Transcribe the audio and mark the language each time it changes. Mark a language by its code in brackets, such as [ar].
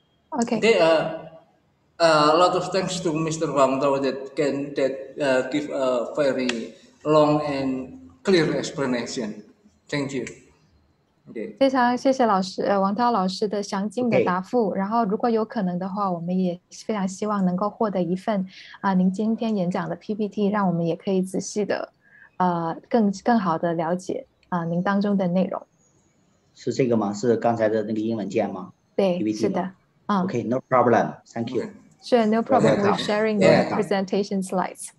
[en] Okay, a lot of thanks to Mr. Wang Tao that give a very long and clear explanation. Thank you. [zh] 非常谢谢老师王涛老师的详尽的答复，然后如果有可能的话，我们也非常希望能够获得一份您今天演讲的 PPT， 让我们也可以仔细的更好的了解您当中的内容。是这个吗？是刚才的那个英文件吗？对，是的。 [en] Okay, no problem. Thank you. Sure, no problem with sharing your presentation slides.